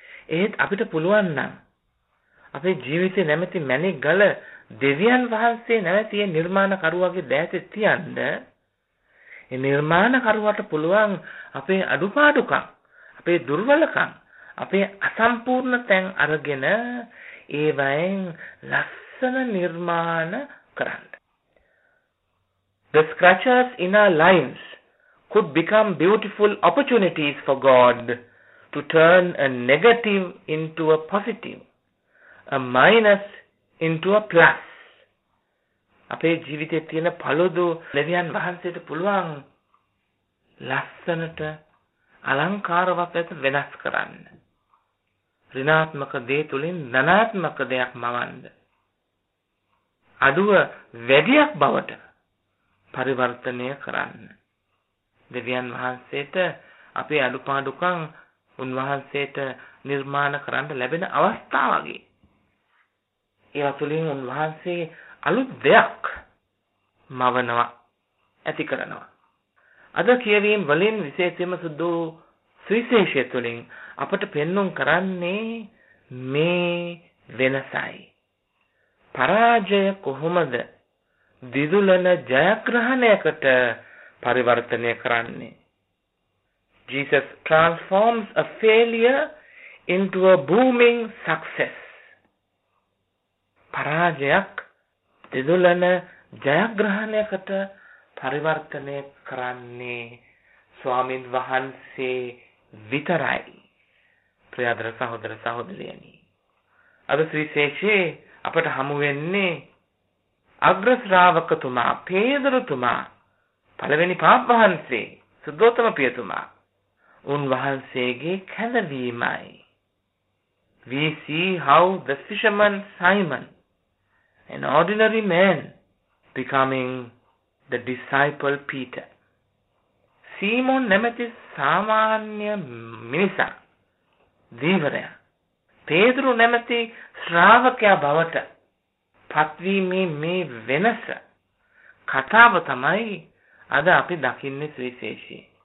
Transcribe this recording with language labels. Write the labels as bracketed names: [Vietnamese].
[Sinhala] ඒත් අපිට පුළුවන් නම් අපේ ජීවිතේ නැමැති මැණික් ගල දෙවියන් වහන්සේ නැමැති නිර්මාණකරුවාගේ දෑත තියන්ද, ඒ නිර්මාණකරුවාට පුළුවන් අපේ අඩුපාඩුකම්, අපේ දුර්වලකම්, අපේ අසම්පූර්ණ තැන් අරගෙන ඒවයින් ලස්සන නිර්මාණ කරන්න. [English] The scratches in our lives could become beautiful opportunities for God to turn a negative into a positive, a minus into a plus. [Sinhala] අපේ ජීවිතයේ තියෙන පළදු දෙවියන් වහන්සේට පුළුවන් ලස්සනට අලංකාරවත් ලෙස වෙනස් කරන්න. ඍණාත්මක දේ තුලින් ධනාත්මක දෙයක් මවන්න. අදුව වැඩියක් බවට පරිවර්තනය කරන්න. දෙවියන් වහන්සේට අපේ අලුපාඩුකම් උන්වහන්සේට නිර්මාණ කරන්න ලැබෙන අවස්ථා වගේ. ඒවා තුලින් උන්වහන්සේ අලුත් දෙයක් මවනවා ඇති කරනවා. අද කියවීම් වලින් විශේෂයෙන්ම සුදු සුවිශේෂය තුළින් අපට පෙන්නුම් කරන්නේ මේ වෙනසයි. පරාජය කොහොමද දිදුලන ජයග්‍රහණයකට පරිවර්තනය කරන්නේ? [English] Jesus transforms a failure into a booming success. [Sinhala] පරාජයක් දිදුලන ජයග්‍රහණයකට පරිවර්තනය කරන්නේ ස්වාමින් වහන්සේ විතරයි. ප්‍රියදර සහෝදර සහෝදරියනි, අද සුවිශේෂයේ අපට හමු වෙන්නේ අග්‍ර ශ්‍රාවකතුමා පේදරතුමා, පළවෙනි පාප් වහන්සේ සුද්ධෝත්තම පියතුමා උන්වහන්සේගේ කැඳවීමයි. [English] We see how the fisherman Simon, an ordinary man, becoming the disciple Peter. [Sinhala] සීමොන් නැමැති සාමාන්‍ය මිනිසා, දීවරයා, පේදුරු නැමැති ශ්‍රාවකයා බවට පත්වීමේ මේ වෙනස කතාව තමයි අද අපි දකින්නේ සුවිශේෂී.